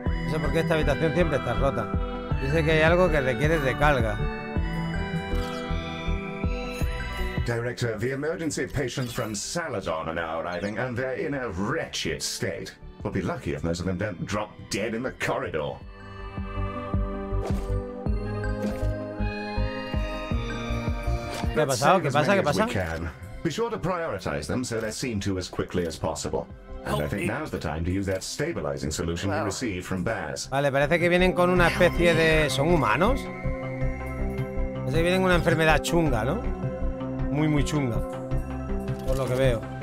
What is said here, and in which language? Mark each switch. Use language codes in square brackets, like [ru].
[es] No sé por qué esta habitación siempre está rota. Dice que hay algo que requiere recarga. [en] Director, the emergency patients from Salazar are now arriving, and they're in a wretched state. We'll be lucky if most of them don't drop dead in the corridor. [es] ¿Qué ha pasado? ¿Qué pasa? ¿Qué pasa? [en] We can. Be sure to prioritize them so they're seen to as quickly as possible. And I think now's the time to use that stabilizing solution we received from Baz. [es] Vale, parece que vienen con una especie de... ¿Son humanos? Parece que vienen con una enfermedad chunga, ¿no? Muy, muy chunga, por lo que veo.